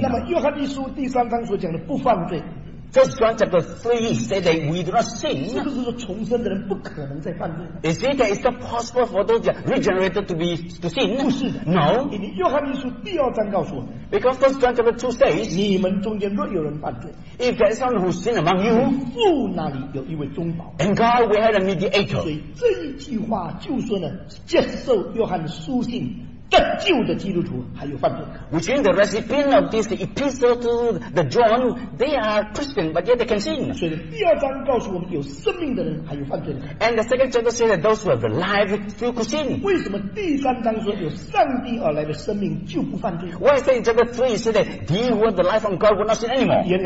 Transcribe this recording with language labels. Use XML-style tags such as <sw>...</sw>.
<zh>那么约翰一书第三章所讲的不犯罪。</zh> <en>First John chapter 3 said that we do not sin.</en> <zh>是不是说重生的人不可能再犯罪?</zh> <en>Is it that it's not possible for those regenerated to be to sin?</en> <zh>不是的,</zh> <en>no.</en> <zh>因为约翰一书第二章告诉我们,</zh> <en>because First John chapter 2 says,</en> <zh>你们中间若有人犯罪,</zh> <en>if there is someone who sin among you,</en> <zh>父那里有一位中保,</zh> <en>and God we had a mediator.</en> <zh>所以这一句话就说呢, 接受约翰书信, 得救的基督徒还有犯罪,</zh> <en>which in the recipient of this epistle to the John, they are Christian, but yet they can sin.</en> <zh>所以第二章告诉我们有生命的人还有犯罪,</zh> <en>and the second chapter says that those who have alive still could sin.</en> <zh>为什么第三章说有上帝而来的生命就不犯罪?</zh> <en>Why say in chapter 3 it says that the who have the life from God will not sin anymore?</en>